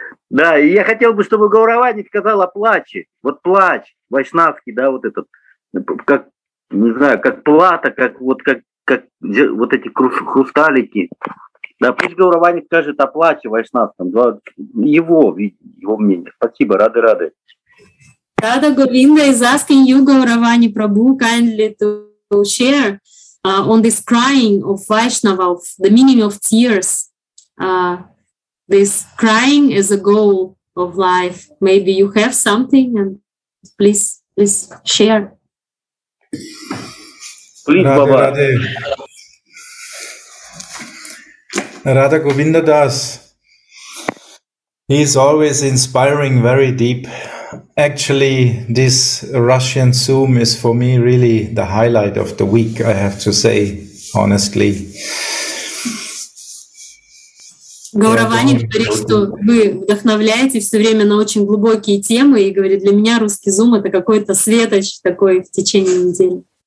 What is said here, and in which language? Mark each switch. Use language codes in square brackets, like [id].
[ru] Да, и я хотел бы, чтобы Гауравани сказала плачи, вот плач, вайшнавский, да, вот этот, как, не знаю, как плата, как вот эти хрусталики, да, пусть Гауравани скажет о плаче вайшнавском, да, его мнение, спасибо, рады-рады. [en] Radha Govinda is asking you, Gauravani Prabhu, kindly to share on this crying of Vaishnava, of the meaning of tears. This crying is a goal of life. Maybe you have something, and please share. Please, Baba. Radha Govinda Das, he is always inspiring very deep. Actually, this Russian Zoom is for me really the highlight of the week, I have to say, honestly. [ru] Гауравани говорит, что вы вдохновляете все время на очень глубокие темы, и говорит, для меня русский Zoom — это какой-то светоч такой в течение недели.